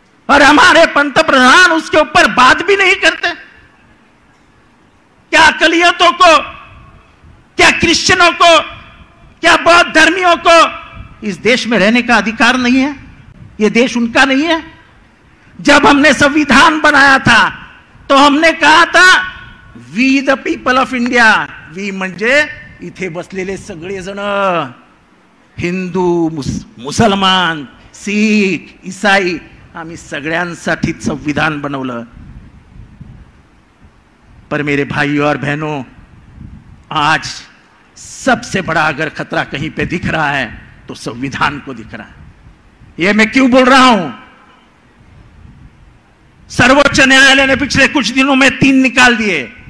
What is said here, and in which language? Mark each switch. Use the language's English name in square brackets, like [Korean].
[Hindi] और हमारे पंत प्रधान उसके ऊपर बात भी नहीं करते क्या? अकलियतों को, क्या क्रिश्चियनों को, क्या बौद्ध धर्मियों को इस देश में रहने का अधिकार नहीं है? ये देश उनका नहीं है? जब हमने संविधान बनाया था तो हमने कहा था [English] we the people of India, [Marathi] we म्हणजे इथे बसलेले सगळे जण, हिंदू मुसलमान सीख ईसाई, आम्ही सगळ्यांसाठी संविधान बनवलं। [Hindi] पर मेरे भाइयों और बहनों, आज सबसे बड़ा अगर खतरा कहीं पे दिख रहा है तो संविधान को दिख रहा है। यह मैं क्यों बोल रहा हूं, सर्वोच्च न्यायालय ने पिछले कुछ दिनों में 3 निकाल दिए।